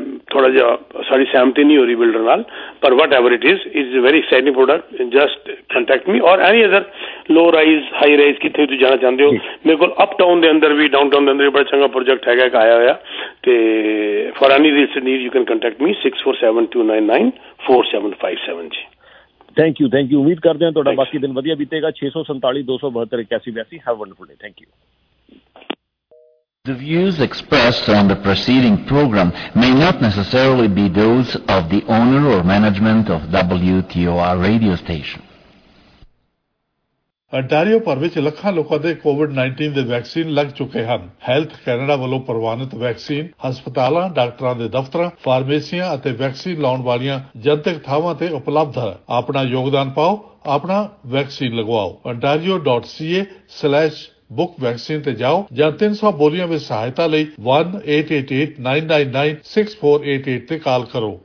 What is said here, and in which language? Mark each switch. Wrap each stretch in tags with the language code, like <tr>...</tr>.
<pa>ਥੋੜ੍ਹਾ ਜਿਹਾ ਸਾਡੀ ਸਹਿਮਤੀ ਨਹੀਂ ਹੋ ਰਹੀ ਬਿਲਡਰ ਨਾਲ, ਪਰ</pa> <en>whatever it is a very exciting product, just contact me, or any other low rise high rise</en> <pa>ਕਿੱਥੇ ਤੁਸੀਂ ਜਾਣਾ ਚਾਹੁੰਦੇ ਹੋ, ਮੇਰੇ ਕੋਲ ਅਪ ਟਾਊਨ ਦੇ ਅੰਦਰ ਵੀ, ਡਾਊਨ ਟਾਊਨ ਦੇ ਅੰਦਰ ਵੀ ਬੜਾ ਚੰਗਾ ਪ੍ਰੋਜੈਕਟ ਹੈਗਾ ਇੱਕ ਆਇਆ ਹੋਇਆ, ਅਤੇ</pa> <en>for any reason need you can contact me</en> <pa>6472994757 ਜੀ।</pa> <en>thank you, thank you,</en> <pa>ਉਮੀਦ ਕਰਦੇ ਹਾਂ ਤੁਹਾਡਾ ਬਾਕੀ ਦਿਨ ਵਧੀਆ ਬੀਤੇਗਾ,</pa> <en>6472781782, have wonderful day, thank you. The views expressed on the preceding program may not necessarily be those of the owner or management of WTOR radio station.</en> <pa>Ontario ਭਰ ਵਿੱਚ ਲੱਖਾਂ ਲੋਕਾਂ ਦੇ ਕੋਵਿਡ-19 ਦੇ ਵੈਕਸੀਨ ਲੱਗ ਚੁੱਕੇ ਹਨ। ਹੈਲਥ ਕੈਨੇਡਾ ਵੱਲੋਂ ਪ੍ਰਵਾਨਿਤ ਵੈਕਸੀਨ ਹਸਪਤਾਲਾਂ, ਡਾਕਟਰਾਂ ਦੇ ਦਫ਼ਤਰਾਂ, ਫਾਰਮੇਸੀਆਂ ਅਤੇ ਵੈਕਸੀਨ ਲਾਉਣ ਵਾਲੀਆਂ ਜਨਤਕ ਥਾਵਾਂ ਤੇ ਉਪਲਬਧ ਹੈ। ਆਪਣਾ ਯੋਗਦਾਨ ਪਾਓ, ਆਪਣਾ ਵੈਕਸੀਨ ਲਗਵਾਓ। ontario.ca/book vaccine ਤੇ ਜਾਓ ਜਾਂ 300 ਬੋਲੀਆਂ ਵਿੱਚ ਸਹਾਇਤਾ ਲਈ 1-888-999-6488 ਤੇ ਕਾਲ ਕਰੋ।</pa>